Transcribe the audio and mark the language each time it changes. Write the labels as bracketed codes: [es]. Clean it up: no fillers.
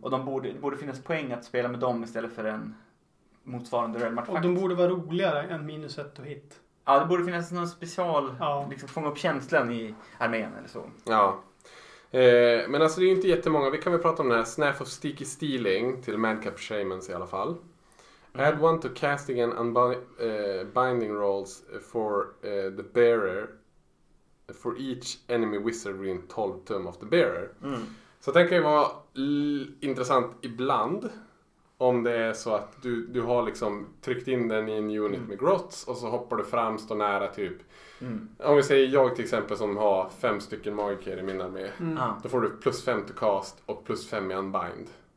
[sv] Och det borde finnas poäng att spela med dem istället för en motsvarande Realm artefakt. Och de borde vara roligare än minus ett och hit. Ja, det borde finnas någon special, liksom fånga upp känslan i armén eller så. Ja. Men alltså det är ju inte jättemånga. Vi kan väl prata om den här Snaff of Sticky Stealing till Madcap Shamans i alla fall. [en] Add one to casting and binding rolls for the bearer for each enemy wizard within 12 tum of the bearer. Mm. [sv] Så den kan ju vara intressant ibland om det är så att du har liksom tryckt in den i en unit med grots och så hoppar du fram, står nära typ. Mm. Om vi säger jag till exempel som har 5 stycken magiker i min armé, då får du plus 5 to cast och plus 5 i unbind.